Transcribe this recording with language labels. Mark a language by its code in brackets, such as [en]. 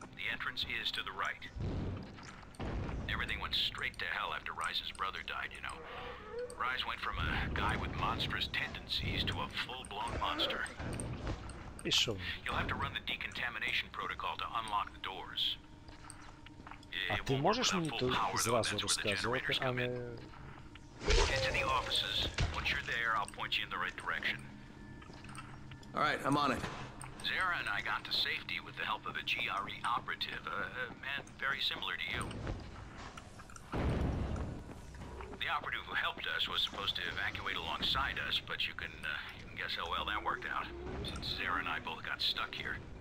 [en] The entrance is to the right. Everything went straight to hell after Ryze's brother died, you know. Ryze went from a guy with monstrous tendencies to a full-blown monster. [uk] Пішов. [en] You'll have to run the decontamination protocol to unlock the doors. [uk] А ти можеш мені то зразу розказувати, а не... [en] Get to the offices. Once you're there, I'll point you in the right direction. All right, I'm on it. Zara and I got to safety with the help of a GRE operative, a man very similar to you. The operative who helped us was supposed to evacuate alongside us, but you can guess how well that worked out, since Zara and I both got stuck here.